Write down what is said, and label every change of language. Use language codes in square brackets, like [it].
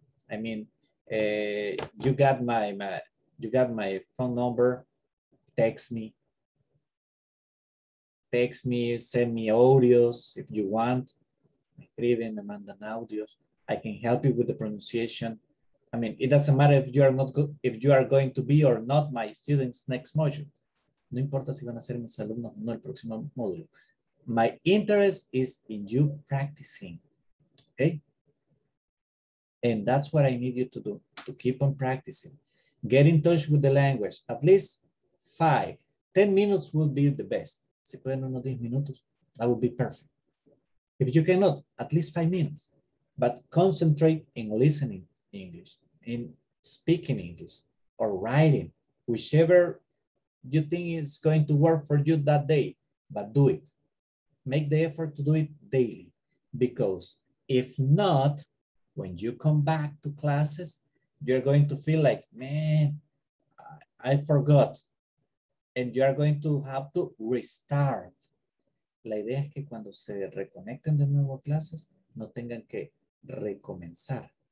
[en] I mean, you got my phone number, text me, send me audios if you want. [es] Escriben, me mandan audios. [en] I can help you with the pronunciation. I mean, it doesn't matter if you are not good, if you are going to be or not my students next module. [es] No importa si van a ser mis alumnos o no el próximo módulo. [en] My interest is in you practicing, okay? And that's what I need you to do, to keep on practicing. Get in touch with the language, at least 5, 10 minutes would be the best. [es] Si pueden unos 10 minutos, [en] that would be perfect. If you cannot, at least 5 minutes, but concentrate in listening English, in speaking English or writing, whichever you think is going to work for you that day, but do it. Make the effort to do it daily, because if not, when you come back to classes, you're going to feel like, man, I forgot. And you are going to have to restart. [es] La idea es que cuando se reconecten de nuevo a clases, no tengan que recomenzar.